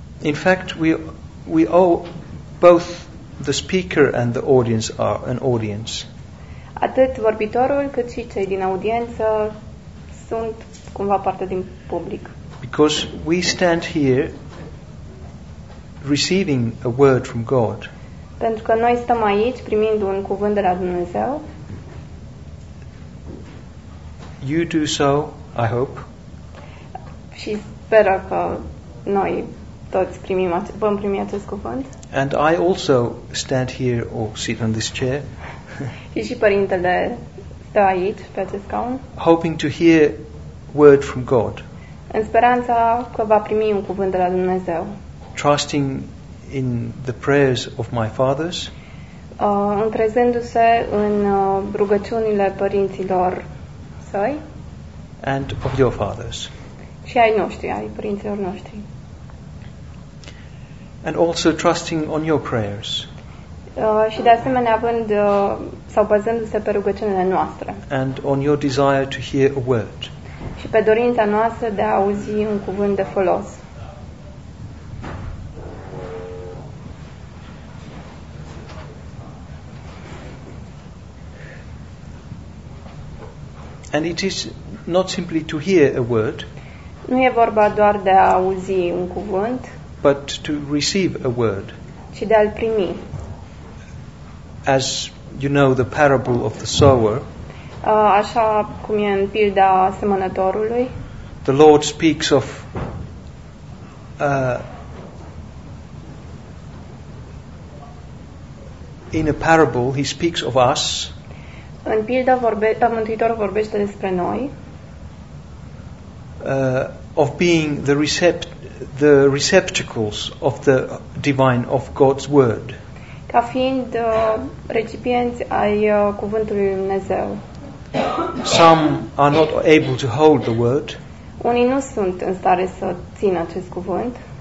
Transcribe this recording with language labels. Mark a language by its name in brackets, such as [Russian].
[English] In fact, we owe both the speaker and the audience are an audience. [Romanian] Atât vorbitorul, cât și cei din audiență sunt cumva parte din public. [English] Because we stand here receiving a word from God. [Romanian] Pentru că noi stăm aici primind un cuvânt de la Dumnezeu. [English] You do so, I hope. [Romanian] Și sper că noi toți vom primi acest cuvânt. [English] And I also stand here or sit on this chair. [Romanian] Și părintele stă aici pe acest scaun. [English] Hoping to hear word from God. [Romanian] În speranța că va primi un cuvânt de la Dumnezeu. [English] Trusting in the prayers of my fathers. [Romanian] Încrezându-se în rugăciunile părinților săi. [English] And of your fathers. [Romanian] Și ai noștri, ai părinților noștri. [English] And also trusting on your prayers. [Romanian] Și de asemenea având sau bazându-se pe rugăciunile noastre. [English] And on your desire to hear a word. [Romanian] Și pe dorința noastră de a auzi un cuvânt de folos. [English] And it is not simply to hear a word. [Romanian] Nu e vorba doar de a auzi un cuvânt, [English] but to receive a word. [Romanian] Ci de a-l primi. [English] As you know the parable of the sower. [Romanian] Așa cum e în pilda semănătorului. [English] The Lord speaks of in a parable he speaks of us. [Romanian] În pilda Mântuitorul vorbește despre noi. [English] Of being the receptacles of the divine of God's word. [Romanian] ca fiind recipienți ai cuvântului lui Dumnezeu. [English] Some are not able to hold the word. [Romanian] Unii nu sunt în stare să țină acest cuvânt.